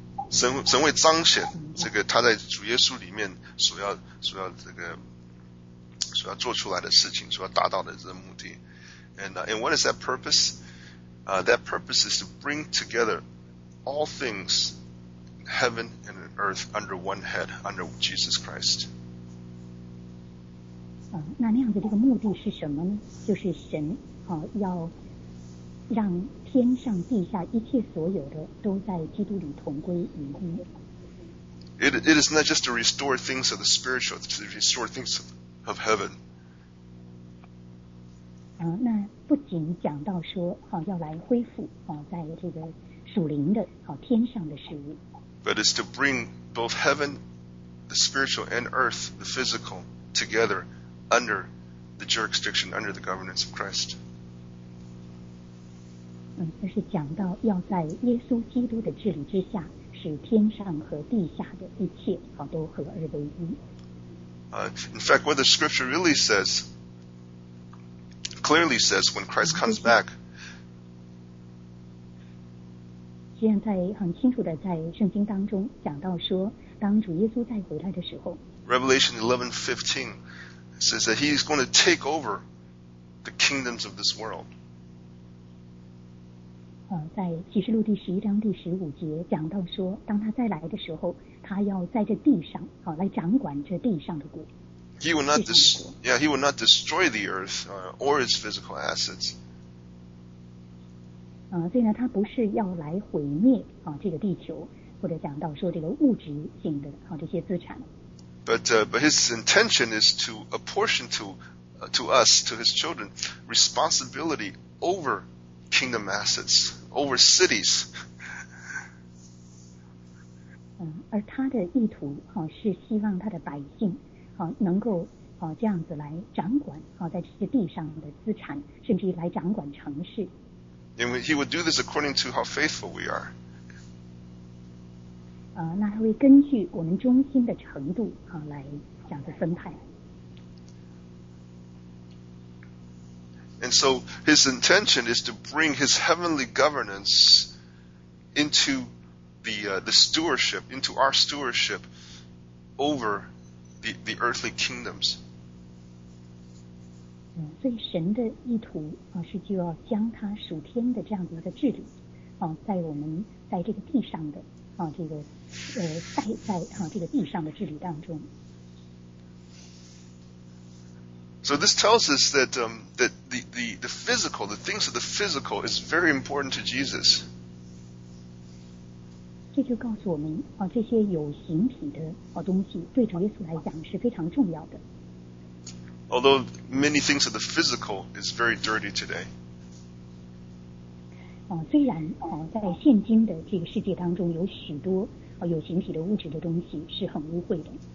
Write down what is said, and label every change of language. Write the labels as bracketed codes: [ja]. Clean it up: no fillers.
[zh] 神会彰显这个他在主耶稣里面所要这个所要做出来的事情，所要达到的这个目的。 [en] And what is that purpose? That purpose is to bring together all things, heaven and earth, under one head, under Jesus Christ. [zh] 那那样的这个目的是什么呢？就是神要让天上地下一切所有的都在基督里同归于一。 [en] It is not just to restore things of the spiritual, it's to restore things of heaven. [zh] 那不仅讲到说要来恢复在这个属灵的天上的事物。 [en] But it's to bring both heaven, the spiritual, and earth, the physical, together under the jurisdiction, under the governance of Christ. [zh] 就是讲到要在耶稣基督的治理之下，使天上和地下的一切都合而为一。 [en] In fact, what the scripture really says, clearly says, when Christ comes back, [zh] 现在很清楚的在圣经当中讲到说，当主耶稣再回来的时候， [en] Revelation 11:15 says that he is going to take over the kingdoms of this world. [zh] 在启示录第十一章第十五节讲到说，当他再来的时候，他要在这地上来掌管这地上的国。 [en] He will not destroy the earth or its physical assets. [zh] 所以呢，他不是要来毁灭这个地球，或者讲到说这个物质性的这些资产。 [en] But his intention is to apportion to us, to his children, responsibility over kingdom assets, over cities. [zh] 而他的意图是希望他的百姓能够这样子来掌管在这些地上的资产，甚至来掌管城市。 [en] And he would do this according to how faithful we are. [zh] 那他会根据我们忠心的程度来这样子分派。 [en] And so his intention is to bring his heavenly governance into the stewardship, into our stewardship over the earthly kingdoms. [zh] 所以神的意图是就要将他属天的这样子的治理在我们在这个地上的这个在这个地上的治理当中。 [en] So this tells us that that the physical, the things of the physical, is very important to Jesus. [zh] 这就告诉我们这些有形体的东西对主耶稣来讲是非常重要的。 [en] Although many things of the physical is very dirty today. [zh] 虽然在现今的这个世界当中有许多有形体的物质的东西是很污秽的。